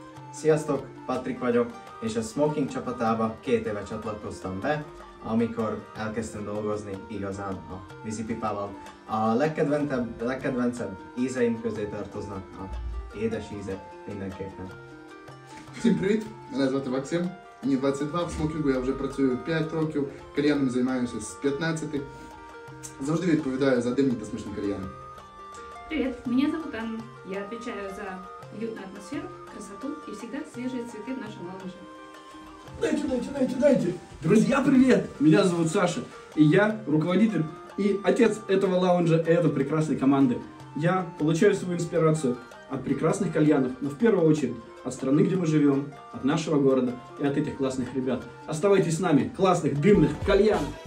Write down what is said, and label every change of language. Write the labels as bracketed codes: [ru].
[hu] Sziasztok, Patrik vagyok, és a Smoking csapatába 2 éve csatlakoztam be, amikor elkezdtem dolgozni igazán a vízipipával. A legkedvencebb ízeim közé tartoznak a édes íze mindenképpen. [uk] Всім привіт, мене звати Максим, мені 22, в смокінгу я вже працюю 5 років, кар'єрним займаюся з 15-ти. Завжди відповідаю за димні та смішні кар'єри. Привіт, мене звати Анна, я відповідаю за уютну атмосферу, красоту і завжди свіжі цвіти в нашому новому житті. [ru] Дайте. Друзья, привет! Меня зовут Саша, и я руководитель и отец этого лаунжа и этой прекрасной команды. Я получаю свою инспирацию от прекрасных кальянов, но в первую очередь от страны, где мы живем, от нашего города и от этих классных ребят. Оставайтесь с нами, классных, дымных кальян!